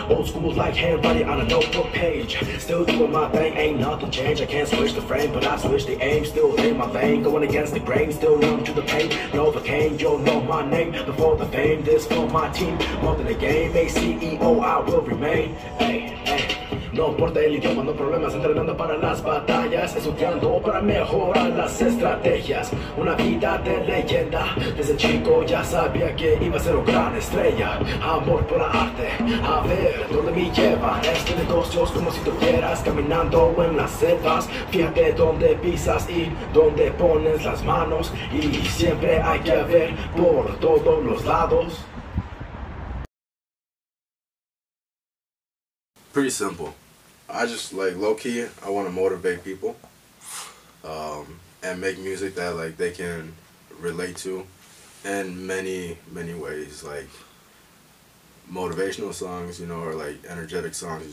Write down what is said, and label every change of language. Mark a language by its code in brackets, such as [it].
[en] Old school like handwriting on a notebook page. Still doing my thing, ain't nothing changed. I can't switch the frame, but I switch the aim. Still in my lane, going against the grain. Still numb to the pain, Novocaine. You'll know my name before the fame. This for my team, more than a game. A CEO, I will remain. Hey. [es] No importa el idioma, no problemas. Entrenando para las batallas, estudiando para mejorar las estrategias. Una vida de leyenda. Desde chico ya sabía que iba a ser una gran estrella. Amor por la arte, a ver dónde me lleva. Este negocio es como si tuvieras caminando en las selvas. Fíjate dónde pisas y dónde pones las manos. Y siempre hay que ver por todos los lados. [en] Pretty simple. I just, like, low-key, I want to motivate people and make music that, like, they can relate to in many, many ways. Like, motivational songs, you know, or, like, energetic songs.